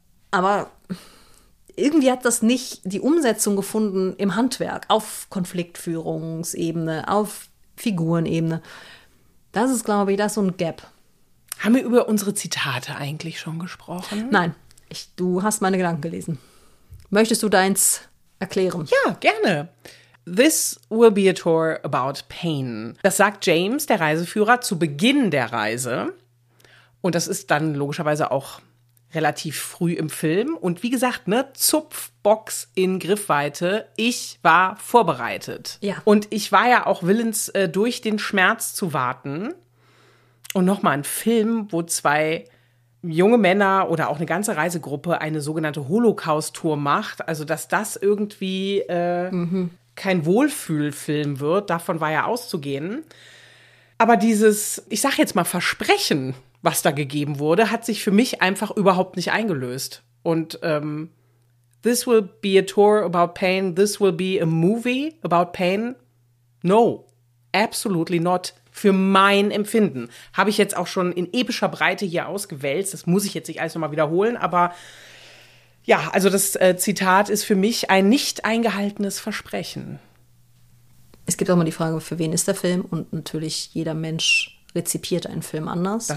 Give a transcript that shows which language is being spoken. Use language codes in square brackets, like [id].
[de] Aber irgendwie hat das nicht die Umsetzung gefunden im Handwerk, auf Konfliktführungsebene, auf Figurenebene. Das ist, glaube ich, das so ein Gap. Haben wir über unsere Zitate eigentlich schon gesprochen? Nein, du hast meine Gedanken gelesen. Möchtest du deins erklären? Ja, gerne. [en] This will be a tour about pain. [de] Das sagt James, der Reiseführer, zu Beginn der Reise. Und das ist dann logischerweise auch relativ früh im Film. Und wie gesagt, ne, Zupfbox in Griffweite. Ich war vorbereitet. Ja. Und ich war ja auch willens, durch den Schmerz zu warten. Und nochmal ein Film, wo zwei junge Männer oder auch eine ganze Reisegruppe eine sogenannte Holocaust-Tour macht. Also, dass das irgendwie kein Wohlfühlfilm wird, davon war ja auszugehen. Aber dieses, ich sag jetzt mal, Versprechen, was da gegeben wurde, hat sich für mich einfach überhaupt nicht eingelöst. Und [en] this will be a tour about pain, this will be a movie about pain. No, absolutely not. [de] Für mein Empfinden. Habe ich jetzt auch schon in epischer Breite hier ausgewälzt. Das muss ich jetzt nicht alles nochmal wiederholen. Aber ja, also das Zitat ist für mich ein nicht eingehaltenes Versprechen. Es gibt auch mal die Frage, für wen ist der Film? Und natürlich, jeder Mensch rezipiert einen Film anders.